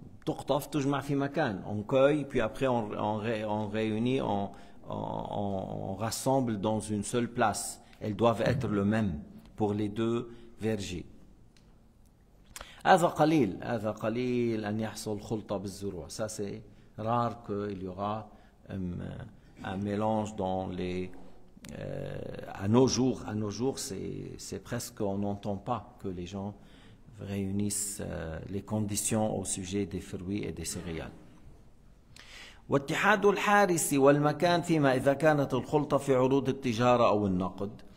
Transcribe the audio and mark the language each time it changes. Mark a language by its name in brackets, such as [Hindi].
[Arabic] Tuqtaf, tujma' fi makan. [French] On cueille, puis après on réunit, on rassemble dans une seule place. Elles doivent être le même pour les deux vergers. [Arabic] هذا قليل أن يحصل خلطة بالزروع. [French] Ça c'est rare qu'il y aura un mélange dans les. À nos jours, c'est presque on n'entend pas que les gens réunissent les conditions au sujet des fruits et des céréales. [Arabic] واتحاد الحارس والمكان فيما إذا كانت الخلطة في عروض التجارة أو النقد.